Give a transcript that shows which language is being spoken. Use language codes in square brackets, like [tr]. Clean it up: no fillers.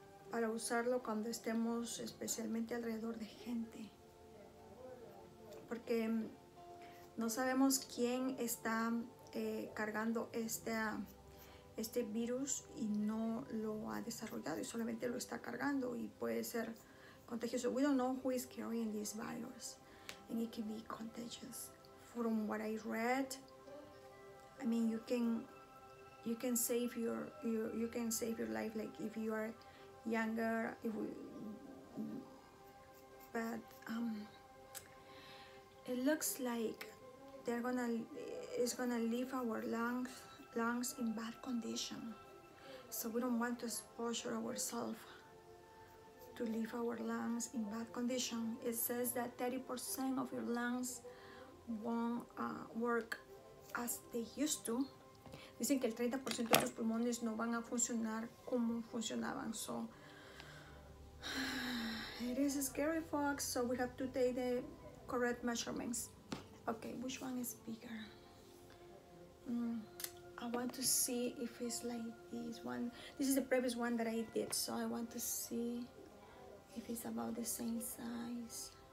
[es] Para usarlo cuando estemos especialmente alrededor de gente. Porque no sabemos quién está cargando este virus y no lo ha desarrollado y solamente lo está cargando y puede ser contagioso. [en] We don't know who is carrying this virus and it can be contagious. From what I read, I mean, you can save your life, like if you are younger, but it looks like it's gonna leave our lungs in bad condition. So we don't want to exposure ourselves to leave our lungs in bad condition. It says that 30% of your lungs won't work as they used to. [es] Dicen que el 30% de tus pulmones no van a funcionar como funcionaban. [en] So it is a scary fox. So we have to take the correct measurements. Okay, which one is bigger? I want to see if it's like this one. This is the previous one that I did, so I want to see if it's about the same size.